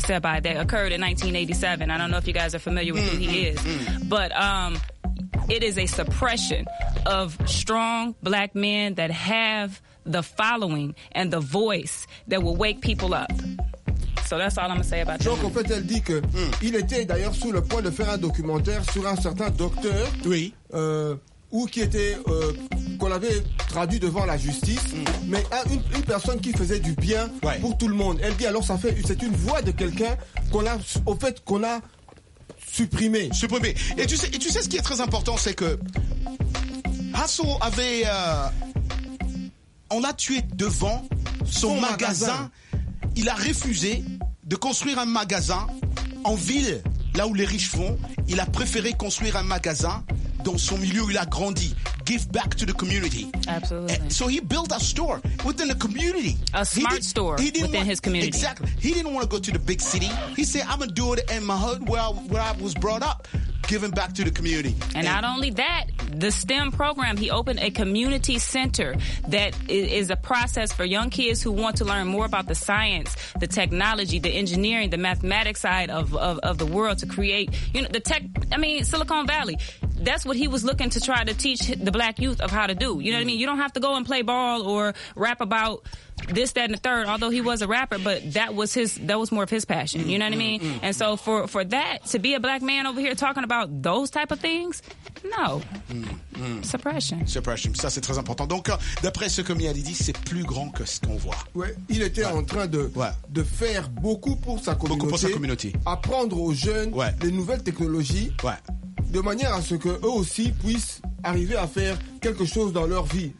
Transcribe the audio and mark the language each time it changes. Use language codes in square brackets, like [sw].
[en] Sebi that occurred in 1987. I don't know if you guys are familiar with who he is. But it is a suppression of strong black men that have the following and the voice that will wake people up. So that's all I'm going to say about that. [fr] Donc, en fait, elle dit qu'il était d'ailleurs sur le point de faire un documentaire sur un certain docteur. Oui. Ou qui était, qu'on avait traduit devant la justice, mais une personne qui faisait du bien pour tout le monde. Elle dit, alors, c'est une voix de quelqu'un qu'on a supprimé. Et tu sais ce qui est très important, c'est que Hasso avait... on l'a tué devant son magasin. Il a refusé de construire un magasin en ville, là où les riches vont. Il a préféré construire un magasin dans son milieu où il a grandi. [en] Give back to the community. Absolutely. So he built a store within the community. A smart store within his community. Exactly. He didn't want to go to the big city. He said, I'm going to do it in my hood where I was brought up. Giving back to the community. And not only that, the STEM program, he opened a community center that is a process for young kids who want to learn more about the science, the technology, the engineering, the mathematics side of the world to create, you know, Silicon Valley. That's what he was looking to try to teach the black youth of how to do. You know what I mean? You don't have to go and play ball or rap about this, that, and the third, although he was a rapper, but that was more of his passion. You know what I mean? And so for that, to be a black man over here talking about those type of things, no. Suppression. [fr] Ça, c'est très important. Donc, d'après ce que Mia dit, c'est plus grand que ce qu'on voit. Oui, il était en train de faire beaucoup pour sa communauté. Beaucoup pour sa communauté. Apprendre aux jeunes les nouvelles technologies. Ouais. De manière à ce qu'eux aussi puissent arriver à faire quelque chose dans leur vie.